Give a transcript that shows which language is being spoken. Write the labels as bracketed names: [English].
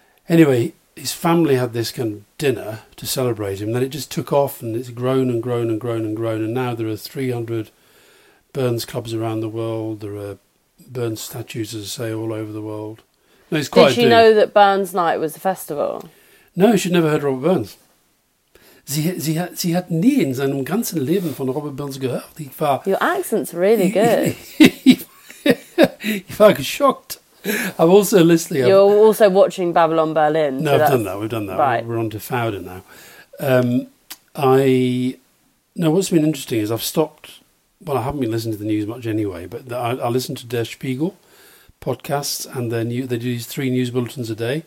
[English] Anyway, his family had this kind of dinner to celebrate him. Then it just took off and it's grown and grown and grown and grown. And now there are 300 Burns clubs around the world. There are Burns statues, as I say, all over the world. No, it's quite Did she know that Burns Night was a festival? No, she'd never heard of Robert Burns. [German] Sie hat nie in seinem ganzen Leben von Robert Burns gehört. Ich war, [English] Your accent's really good. If I was shocked, I'm also listening. You're also watching Babylon Berlin. No, so we've done that. Right. We're on to Fowder now. What's been interesting is I've stopped, well, I haven't been listening to the news much anyway, but I listen to Der Spiegel podcasts and they do these three news bulletins a day.